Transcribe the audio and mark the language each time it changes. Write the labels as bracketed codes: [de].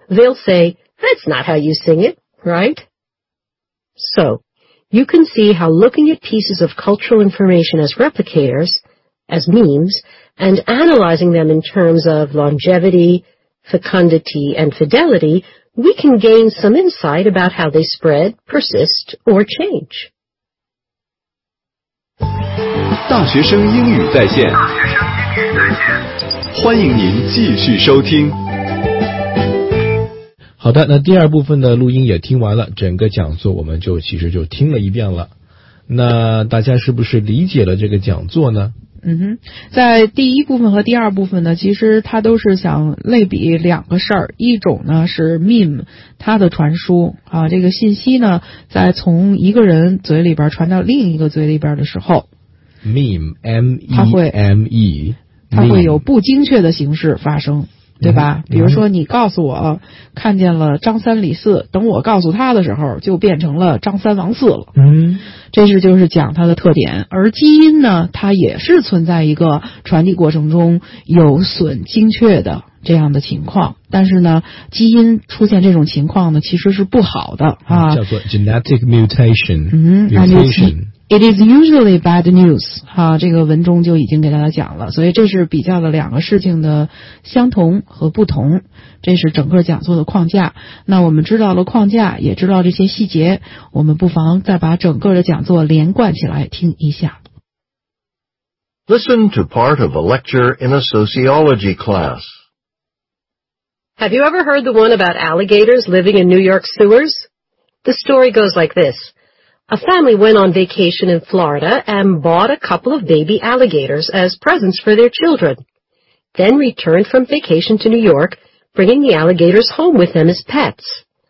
[en] They'll say, that's not how you sing it, right? So, you can see how looking at pieces of cultural information as replicators, as memes, and analyzing them in terms of longevity, fecundity, and fidelity, we can gain some insight about how they spread, persist, or change. [zh] 大学生英语在线，欢迎您继续收听。好的，那第二部分的录音也听完了，整个讲座我们就其实就听了一遍了。那大家是不是理解了这个讲座呢？嗯哼，在第一部分和第二部分呢，其实它都是想类比两个事儿，一种呢是 meme 它的传输啊，这个信息呢在从一个人嘴里边传到另一个嘴里边的时候，meme M E M E，它会有不精确的形式发生，对吧？比如说你告诉我看见了张三李四，等我告诉他的时候就变成了张三王四了。嗯，这是就是讲它的特点。而基因呢，它也是存在一个传递过程中有损精确的这样的情况，但是呢基因出现这种情况呢其实是不好的啊，叫做 genetic mutation。 It is usually bad news，哈、啊，这个文中就已经给大家讲了，所以这是比较了两个事情的相同和不同，这是整个讲座的框架。那我们知道了框架，也知道这些细节，我们不妨再把整个的讲座连贯起来听一下。 [en] Listen to part of a lecture in a sociology class. Have you ever heard the one about alligators living in New York sewers? The story goes like this. A family went on vacation in Florida and bought a couple of baby alligators as presents for their children, then returned from vacation to New York, bringing the alligators home with them as pets.